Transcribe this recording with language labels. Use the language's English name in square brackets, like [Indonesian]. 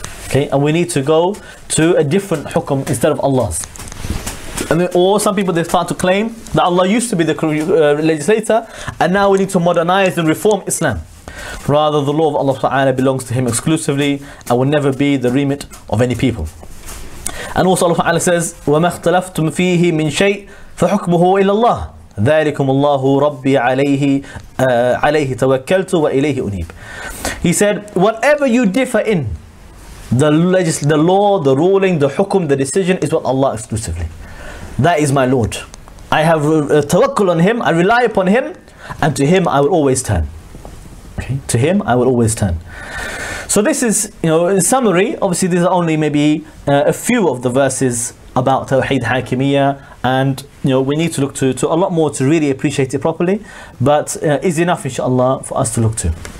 [English] Okay, and we need to go to a different hukum instead of Allah's. And then, or some people they start to claim that Allah used to be the legislator and now we need to modernize and reform Islam. Rather, the law of Allah Ta'ala belongs to Him exclusively and will never be the remit of any people. And also Allah Ta'ala says, [Arabic] وَمَا اخْتَلَفْتُمْ فِيهِ مِنْ شَيْءٍ فَحُكْمُهُ إِلَى اللَّهِ ذَلِكُمُ اللَّهُ رَبِّي عَلَيْهِ تَوَكَّلْتُ وَإِلَيْهِ أُنِيبُ. [English] He said, whatever you differ in, the law, the ruling, the hukum, the decision is with Allah exclusively. That is my Lord. I have tawakkul on Him, I rely upon Him, and to Him I will always turn. Okay. To Him, I will always turn. So this is, in summary, obviously these are only maybe a few of the verses about Tawheed Hakimiyyah, and we need to look to a lot more to really appreciate it properly, but is enough, inshallah, for us to look to.